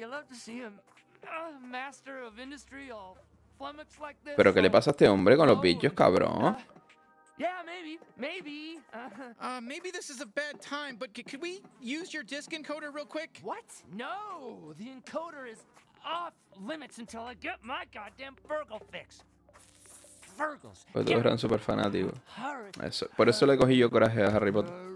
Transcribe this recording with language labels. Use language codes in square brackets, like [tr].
[en] You love to see him, master of industry, all flummoxed like this. [es] Pero qué le pasa a este hombre con los bichos, cabrón. [en] Yeah, maybe. Maybe this is a bad time, but could we use your disk encoder real quick? What? No, the encoder is off limits until I get my goddamn Fergal fix. Fergals. [es] Pues todos eran super fanáticos. Eso. Por eso le cogí yo coraje a Harry Potter.